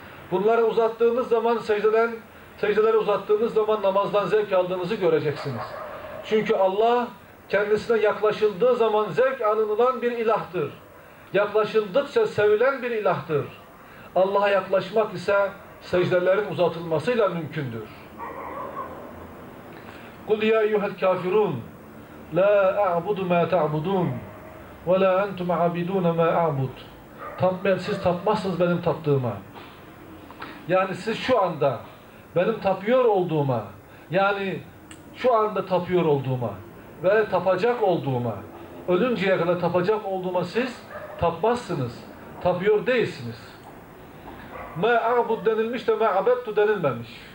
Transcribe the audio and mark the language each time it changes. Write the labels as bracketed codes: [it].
[tr] Bunları uzattığınız zaman, secdeleri uzattığınız zaman namazdan zevk aldığınızı göreceksiniz. Çünkü Allah kendisine yaklaşıldığı zaman zevk alınılan bir ilahtır. Yaklaşıldıkça sevilen bir ilahtır. Allah'a yaklaşmak ise secdelerin uzatılmasıyla mümkündür. [ar] قُلْ يَا اَيُّهَا الْكَافِرُونَ لَا اَعْبُدُ مَا تَعْبُدُونَ وَلَا أَنْتُمْ عَبِدُونَ مَا اَعْبُدُ [tr] Siz tapmazsınız benim taptığıma. Yani siz şu anda benim tapıyor olduğuma, yani şu anda tapıyor olduğuma ve tapacak olduğuma, ölünceye kadar tapacak olduğuma siz tapmazsınız, tapıyor değilsiniz. Me a'bud denilmiş de me abettu denilmemiş.